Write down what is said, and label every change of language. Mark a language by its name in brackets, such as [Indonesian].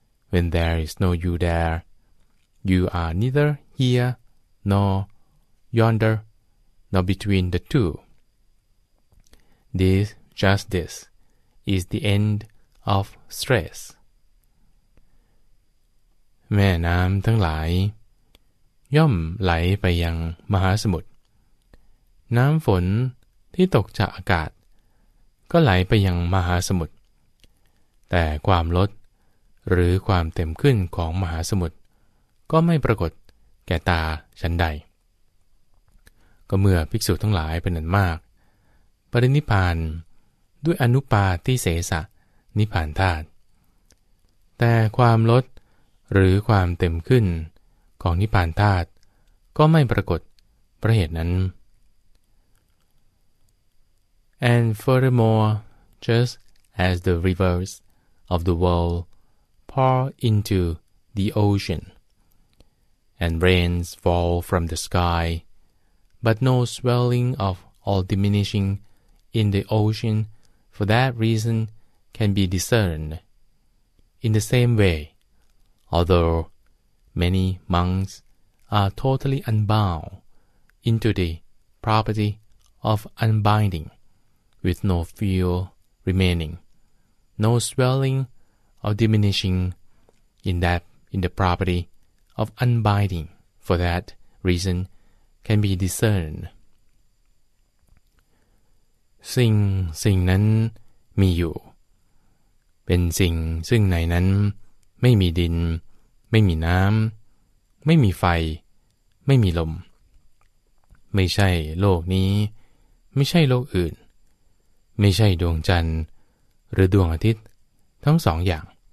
[English] When there is no you there, you are neither here nor yonder, nor between the two. This, just this, is the end of stress. [Thai] แม่น้ำทั้งหลายย่อมไหลไปยังมหาสมุทรน้ำฝนที่ตกจากอากาศก็ไหลไปยังมหาสมุทรแต่ความลดหรือความเต็มขึ้นของมหาสมุทรก็ไม่ปรากฏแก่ตาฉันใด ก็เมื่อภิกษุทั้งหลายเป็นอันมากปรินิพพานด้วยอนุปาทิเสสะนิพพานธาตุแต่ความลดหรือความเต็มขึ้นของนิพพานธาตุก็ไม่ปรากฏประเหตุนั้น [English] And furthermore, just as the rivers of the world pour into the ocean, and rains fall from the sky, but no swelling of all diminishing in the ocean for that reason can be discerned. In the same way, although many monks are totally unbound into the property of unbinding, with no fuel remaining, no swelling or diminishing in the property of unbinding for that reason can be discerned. [Thai] สิ่งนั้นมีอยู่เป็นสิ่งซึ่งในนั้นไม่มีดินไม่มีน้ำไม่มีไฟไม่มีลมไม่ใช่โลกนี้ไม่ใช่โลกอื่นไม่ใช่ดวงจันทร์หรือดวงอาทิตย์ทั้งสองอย่าง